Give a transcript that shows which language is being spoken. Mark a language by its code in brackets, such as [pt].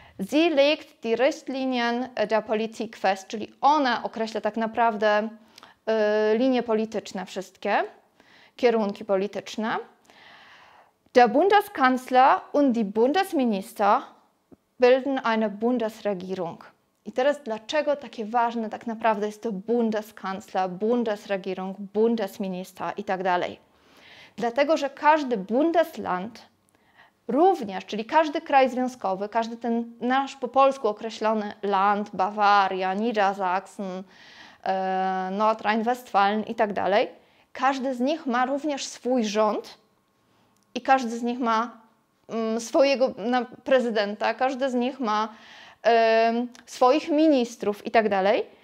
[de] Sie legt die Richtlinien der Politik fest, [pl] czyli ona określa tak naprawdę linie polityczne wszystkie, kierunki polityczne. [de] Der Bundeskanzler und die Bundesminister bilden eine Bundesregierung. [pl] I teraz dlaczego takie ważne tak naprawdę jest to Bundeskanzler, Bundesregierung, Bundesminister i tak dalej? Dlatego, że każdy Bundesland również, czyli każdy kraj związkowy, każdy ten nasz po polsku określony land, Bawaria, Niedersachsen, Nordrhein-Westfalen i tak dalej, każdy z nich ma również swój rząd i każdy z nich ma swojego prezydenta, każdy z nich ma swoich ministrów i tak dalej.